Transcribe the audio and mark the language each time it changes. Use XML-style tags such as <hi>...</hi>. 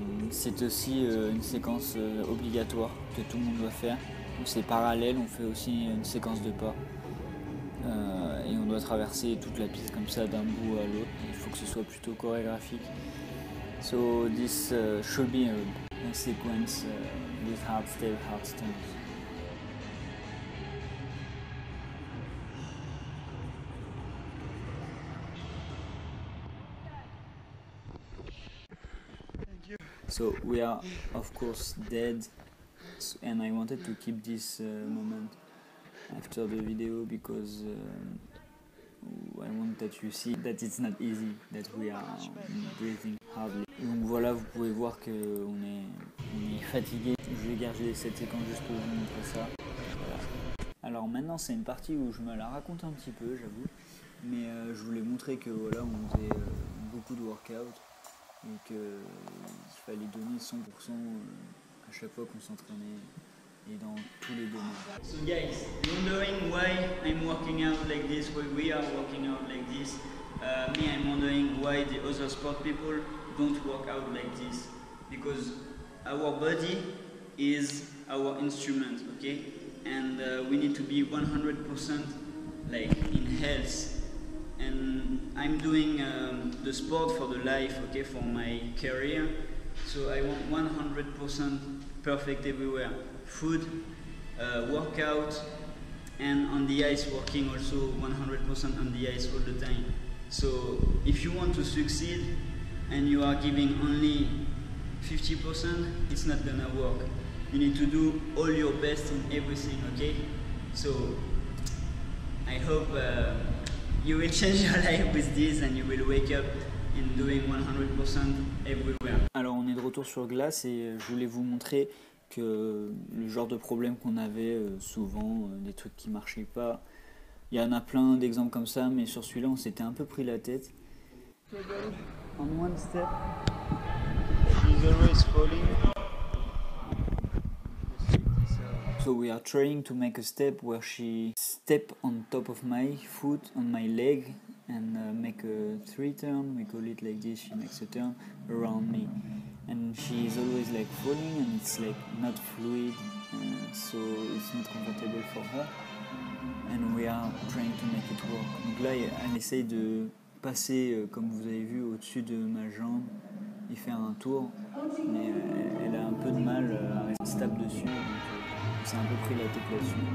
<fr>C'est aussi une séquence obligatoire que tout le monde doit faire. C'est parallèle, on fait aussi une séquence de pas. Et on doit traverser toute la piste comme ça d'un bout à l'autre. Il faut que ce soit plutôt chorégraphique.</fr> <en>So this should be a sequence with hard step, hard stance. So we are of course dead, and I wanted to keep this moment after the video because I want that you see that it's not easy, that we are breathing hardly.</en> <fr>Donc voilà, vous pouvez voir que on est fatigué. Je vais garder cette séquence juste pour vous montrer ça. Voilà. Alors maintenant c'est une partie où je me la raconte un petit peu, j'avoue, mais je voulais montrer que voilà, on faisait beaucoup de workout. Et qu'il fallait donner 100% à chaque fois qu'on s'entraînait et dans tous les domaines.</fr> <en>So guys, wondering why I'm working out like this, why we are working out like this. Me, I'm wondering why the other sport people don't work out like this. Because our body is our instrument, okay? And we need to be 100% like in health. And I'm doing the sport for the life, okay, for my career, So I want 100% perfect everywhere. Food, workout, and on the ice, working also 100% on the ice all the time. So if you want to succeed and you are giving only 50%, it's not gonna work. You need to do all your best in everything, okay? So I hope you will change your life with this and you will wake up in doing 100% everywhere.</en> <fr>Alors on est de retour sur glace et je voulais vous montrer que le genre de problème qu'on avait souvent, des trucs qui marchaient pas. Il y en a plein d'exemples comme ça, mais sur celui-là, on s'était un peu pris la tête.</fr> <en>En one step. She's always falling. So we are trying to make a step where she step on top of my foot, on my leg, and make a three turn. We call it like this. She makes a turn around me. And she is always like falling, and it's like not fluid, so it's not comfortable for her. And we are trying to make it work.</en> <fr>Donc là, elle essaye de passer, comme vous avez vu, au-dessus de ma jambe et faire un tour. Mais elle a un peu de mal à se taper dessus, donc c'est un peu pris la tête là-dessus.</fr>